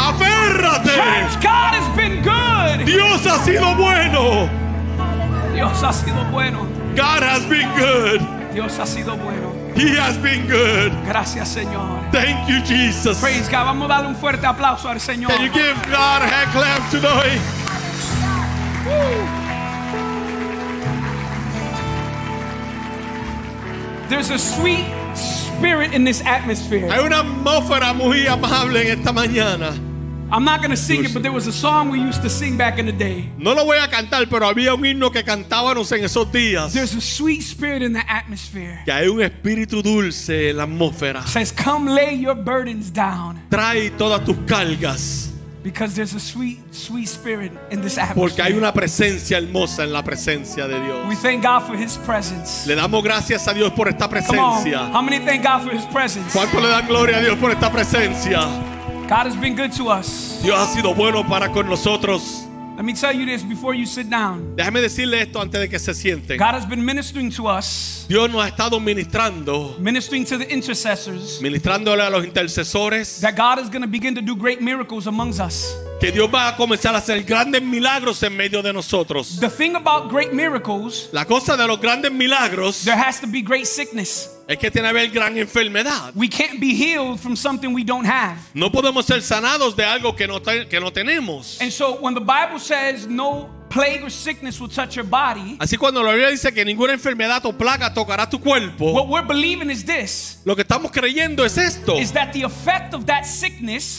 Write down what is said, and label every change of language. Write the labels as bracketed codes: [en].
[es] Aférrate. [en] Church, God has been good. [es] Dios ha sido bueno. Dios ha sido bueno. [en] God has been good. [es] Dios ha sido bueno. [en] He has been good. [es] Gracias, Señor. [en] Thank you, Jesus. Praise God. [es] Vamos a darle un fuerte aplauso al Señor. [en] Can you give God a hand clap today? There's a sweet spirit in this atmosphere. [es] Hay una atmósfera muy amable en esta mañana. [en] I'm not going to sing it, but there was a song we used to sing back in the day. [es] No lo voy a cantar, pero había un himno que cantábamos en esos días. [en] There's a sweet spirit in the atmosphere. [es] Que hay un espíritu dulce en la atmósfera. [en] Says, come lay your burdens down. [es] Trae todas tus cargas. [en] Because there's a sweet, sweet spirit in this atmosphere. [es] Porque hay una presencia hermosa en la presencia de Dios. [en] We thank God for His presence. [es] Le damos gracias a Dios por esta presencia. [en] Come on. How many thank God for His presence? [es] ¿Cuánto le dan gloria a Dios por esta presencia? [en] God has been good to us. [es] Dios ha sido bueno para con nosotros. [en] Let me tell you this before you sit down. [es] Déjame decirle esto antes de que se siente. [en] God has been ministering to us. [es] Dios nos ha estado ministrando. [en] Ministering to the intercessors. [es] Ministrándole a los intercesores. [en] That God is going to begin to do great miracles amongst us. [es] Que Dios va a comenzar a hacer grandes milagros en medio de nosotros. [en] The thing about great miracles. [es] La cosa de los grandes milagros. [en] There has to be great sickness. [es] Es que tiene que haber gran enfermedad. [en] We can't be healed from something we don't have. [es] No podemos ser sanados de algo que no tenemos. [en] And so when the Bible says no plague or sickness will touch your body. [es] Así cuando la Biblia dice que ninguna enfermedad o plaga tocará tu cuerpo. [en] What we're believing is this. [es] Lo que estamos creyendo es esto. [en] Is that the effect of that sickness?